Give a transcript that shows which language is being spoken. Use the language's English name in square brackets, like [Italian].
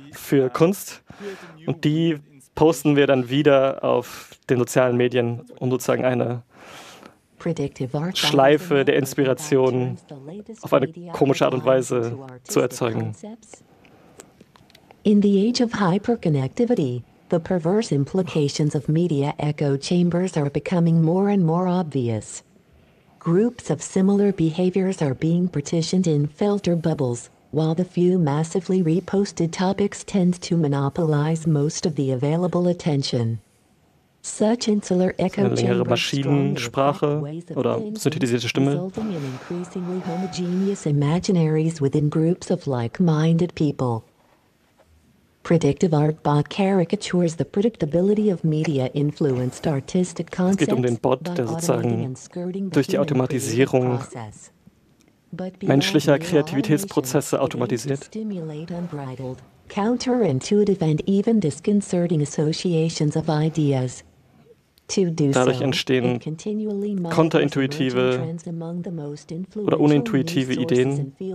[German] für Kunst und die posten wir dann wieder auf den sozialen Medien, um sozusagen eine Schleife der Inspiration auf eine komische Art und Weise zu erzeugen. [English] In the age of hyperconnectivity, the perverse implications of media echo chambers are becoming more and more obvious. Groups of similar behaviors are being partitioned in filter bubbles, while the few massively reposted topics tend to monopolize most of the available attention. Such insular echo chambers. [German] Eine längere Maschinensprache oder synthetisierte Stimme. [English] Resulting in increasingly homogeneous imaginaries within groups of like-minded people. Predictive art bot caricatures the predictability of media-influenced artistic concepts. [German] Es geht um den Bot, der sozusagen durch die Automatisierung menschlicher Kreativitätsprozesse automatisiert. [English] Counterintuitive and even disconcerting associations of ideas. [German] Dadurch entstehen konterintuitive oder unintuitive Ideen.